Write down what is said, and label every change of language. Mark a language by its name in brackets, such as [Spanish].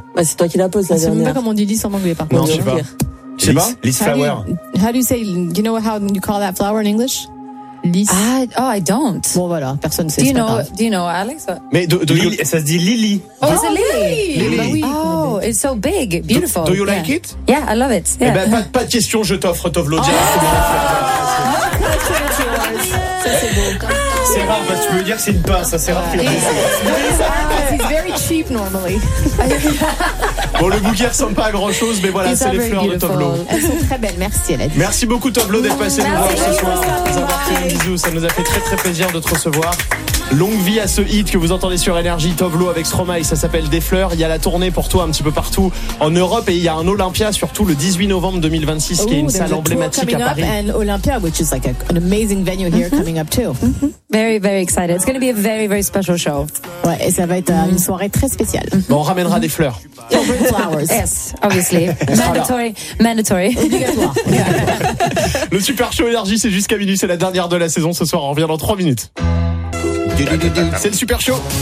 [French] Bah, c'est toi qui la poses, la dernière. Je sais même pas comment on dit lys en anglais, par contre. Non, je sais pas. Tu sais pas? [English] Lys flower. How do you say? You know how you call that flower in English? Lys. Oh, I don't. [French] Bon, voilà, personne ne sait. [English] Do you know, Alex? [French] Mais ça se dit Lily. Oh, c'est Lily. [English] Lily. Oh, it's so big, beautiful. Do you like it? Yeah, I love it. Yeah. [French] Eh ben, pas de question, je t'offre Tovlo. Bon, le bouquet ressemble pas à grand chose, mais voilà, c'est les fleurs beautiful. De Tovlo. Elles sont très belles, merci Alex. Merci beaucoup Tovlo d'être passé nous voir ce soir. Ça nous a fait très très plaisir de te recevoir. Longue vie à ce hit que vous entendez sur Énergie, Tovlo avec Stromae, ça s'appelle Des Fleurs. Il y a la tournée pour toi un petit peu partout en Europe et il y a un Olympia surtout le 18 novembre 2026 qui est une salle emblématique à Paris. [English] And Olympia, which is like an amazing venue here coming up too. Mm-hmm. Very very excited. It's going to be a very very special show. [French] Ouais, et ça va être une soirée très spéciale. Bon, on ramènera des fleurs. [English] Oh, bring flowers. Yes, obviously. Mandatory. [French] Le Super Show Énergie, c'est jusqu'à minuit, c'est la dernière de la saison ce soir. On revient dans 3 minutes. C'est le Super Show.